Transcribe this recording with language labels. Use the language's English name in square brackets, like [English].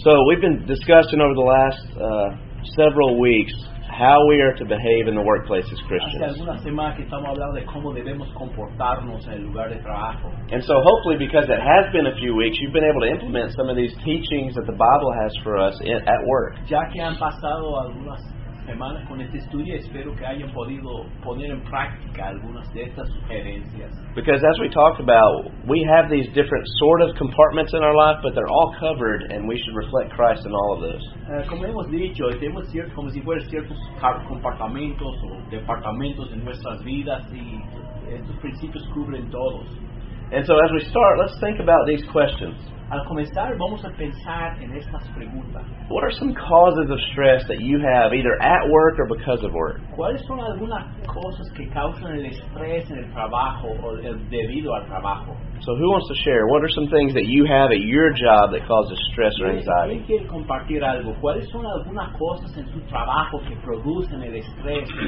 [English] So we've been discussing over the last several weeks how we are to behave in the workplace as Christians. [Spanish] Hace algunas semanas que estamos hablando de cómo debemos comportarnos en el lugar de trabajo. [English] And so hopefully, because it has been a few weeks, you've been able to implement some of these teachings that the Bible has for us at work. [Spanish] Ya que han pasado algunas semanas con este estudio, espero que hayan podido poner en práctica algunas de estas sugerencias. [English] Because as we talked about, we have these different sort of compartments in our life, but they're all covered, and we should reflect Christ in all of those. [Spanish] Como hemos dicho, tenemos ciertos, como si fueran ciertos compartimentos o departamentos en nuestras vidas, y estos principios cubren todos. [English] And so as we start, let's think about these questions. [Spanish] Al comenzar, vamos a pensar en estas preguntas. [English] What are some causes of stress that you have, either at work or because of work? [Spanish] ¿Cuáles son algunas cosas que causan el estrés en el trabajo o debido al trabajo? [English] So who wants to share? What are some things that you have at your job that causes stress or anxiety? [Spanish] ¿Quién quiere compartir algo? ¿Cuáles son algunas cosas en su trabajo que producen el estrés?